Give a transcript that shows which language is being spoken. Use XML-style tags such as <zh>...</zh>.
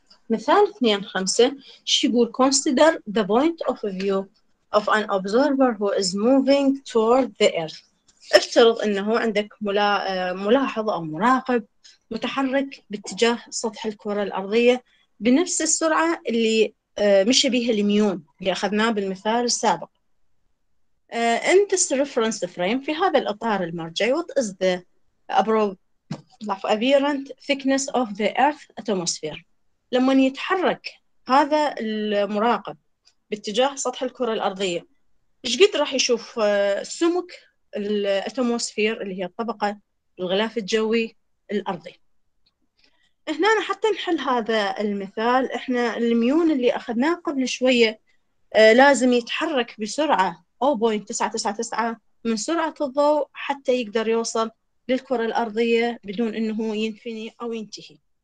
<ar>مثال 2-5 شو يقول؟</ar> <en>consider the point of view of an observer who is moving toward the earth.</en> <ar>افترض أنه عندك ملاحظ أو مراقب متحرك باتجاه سطح الكرة الأرضية بنفس السرعة اللي مش بيها الميون اللي أخذناه بالمثال السابق.</ar> <en>In this reference frame,</en> <ar>في هذا الإطار المرجعي,</ar> <en>what is the apparent thickness of the Earth's atmosphere?</en> <ar>لما يتحرك هذا المراقب باتجاه سطح الكرة الأرضية, إيش قد راح يشوف سمك الأتموسفير اللي هي الطبقة الغلاف الجوي الأرضي؟ هنا حتى نحل هذا المثال, إحنا الميون اللي أخذناه قبل شوية لازم يتحرك بسرعة 0.999 من سرعة الضوء حتى يقدر يوصل للكرة الأرضية بدون أنه ينفني أو ينتهي.</ar>